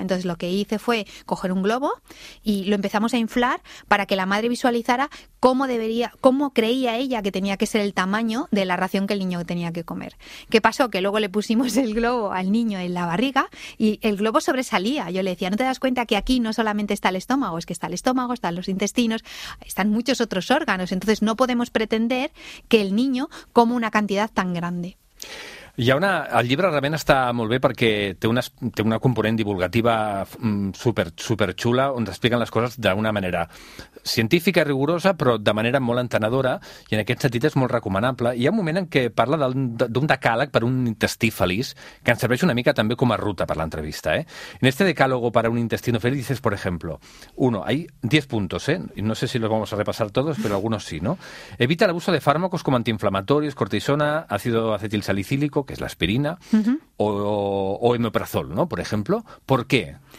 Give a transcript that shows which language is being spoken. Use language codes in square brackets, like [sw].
[es] Entonces lo que hice fue coger un globo y lo empezamos a inflar para que la madre visualizara cómo creía ella que tenía que ser el tamaño de la ración que el niño tenía que comer. ¿Qué pasó? Que luego le pusimos el globo al niño en la barriga y el globo sobresalía. Yo le decía, ¿no te das cuenta que aquí no solamente está el estómago? Es que está el estómago, están los intestinos, están muchos otros órganos. Entonces no podemos pretender que el niño coma una cantidad tan grande. [ca] Hi ha una, el llibre realment està molt bé perquè té una component divulgativa super, super xula on t'expliquen les coses d'una manera científica, rigorosa, però de manera molt entenedora, i en aquest sentit és molt recomanable. Hi ha un moment en què parla d'un decàleg per un intestí feliç que ens serveix una mica també com a ruta per l'entrevista. [es] En este decálogo para un intestino feliz dices, por ejemplo, uno, hay 10 puntos, no sé si los vamos a repasar todos, pero algunos sí, ¿no? Evita el abuso de fármacos como antiinflamatorios, cortisona, ácido acetilsalicílico, que es la aspirina, o omeprazol, ¿no? Por ejemplo, ¿por qué?